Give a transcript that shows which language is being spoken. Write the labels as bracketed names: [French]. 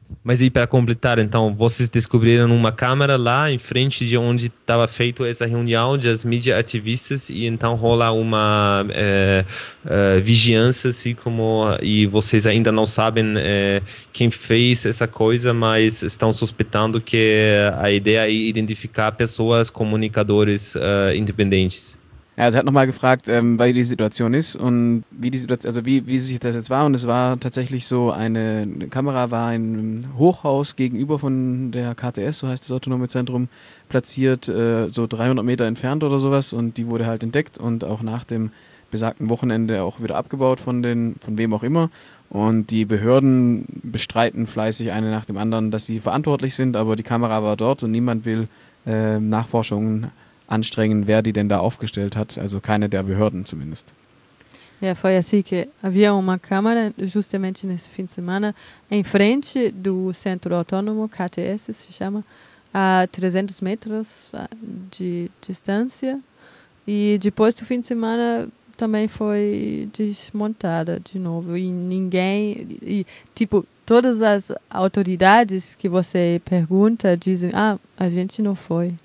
[Portuguese] Mas e para completar, então, vocês descobriram uma câmera lá em frente de onde estava feita essa reunião de as mídias ativistas e então rola uma vigiança, assim como, e vocês ainda não sabem quem fez essa coisa, mas estão suspeitando que a ideia é identificar pessoas, comunicadores independentes. [German] Ja, sie hat nochmal gefragt, weil die Situation ist und wie die Situation, also wie sich das jetzt war. Und es war tatsächlich so, eine Kamera war in einem Hochhaus gegenüber von der KTS, so heißt das autonome Zentrum, platziert, so 300 Meter entfernt oder sowas. Und die wurde halt entdeckt und auch nach dem besagten Wochenende auch wieder abgebaut von wem auch immer. Und die Behörden bestreiten fleißig eine nach dem anderen, dass sie verantwortlich sind, aber die Kamera war dort und niemand will Nachforschungen anstrengen, wer die denn da aufgestellt hat, also keine der Behörden zumindest. [Portuguese] Ja, foi assim que havia uma câmera justamente nesse fim de semana em frente do centro autônomo KTS, se chama, a 300 metros de distância, e depois do fim de semana também foi desmontada de novo e ninguém e tipo todas as autoridades que você pergunta dizem: "Ah, a gente não foi.